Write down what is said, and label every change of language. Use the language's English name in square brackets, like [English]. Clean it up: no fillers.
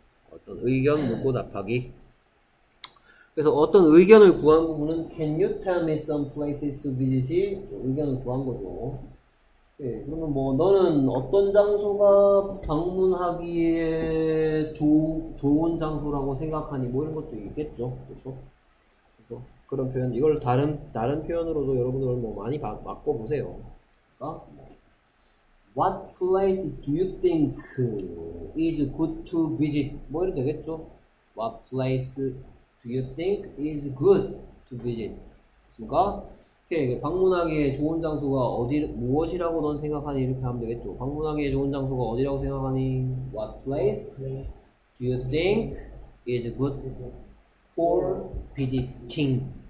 [Korean] 어떤 의견 묻고 답하기. 그래서 어떤 의견을 구한 부분은 [English] Can you tell me some places to visit? [Korean] 의견을 구한 거죠. 오케이. 그러면 뭐 너는 어떤 장소가 방문하기에 좋은 장소라고 생각하니 뭐 이런 것도 있겠죠. 그렇죠? 그렇죠? 그런 표현, 이걸 다른 표현으로도 여러분들 뭐 많이 바꿔 보세요. 어? [English] What place do you think is good to visit? [Korean] 뭐 이래 되겠죠? [English] What place do you think is good to visit? [Korean] 됐습니까? 오케이, 방문하기에 좋은 장소가 어디, 무엇이라고 넌 생각하니? 이렇게 하면 되겠죠. 방문하기에 좋은 장소가 어디라고 생각하니? [English] What place do you think is good for visiting?